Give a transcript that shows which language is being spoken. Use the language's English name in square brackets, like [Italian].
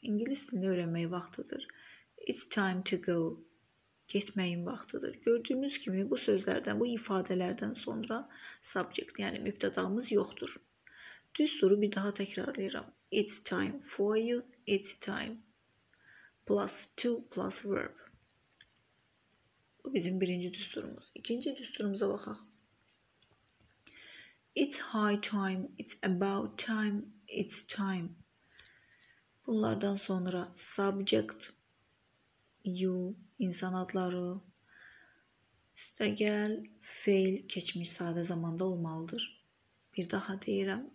[Azerbaijani] İngilis dilini öyrənmək vaxtıdır. [English] It's time to go. [Azerbaijani] Getməyin vaxtıdır. Gördüyünüz kimi bu sözlərdən, bu ifadələrdən sonra subject, yəni mübtədamız yoxdur. Düsturu bir daha təkrarlayıram. [English] It's time for you. It's time. Plus to plus verb. [Azerbaijani] Bu bizim birinci düsturumuz. İkinci düsturumuza baxaq. [English] It's high time, it's about time, it's time. [Azerbaijani] Bunlardan sonra subject, you, insan adları, üstəgəl, fail, keçmiş sadə zamanda olmalıdır. Bir daha deyirəm.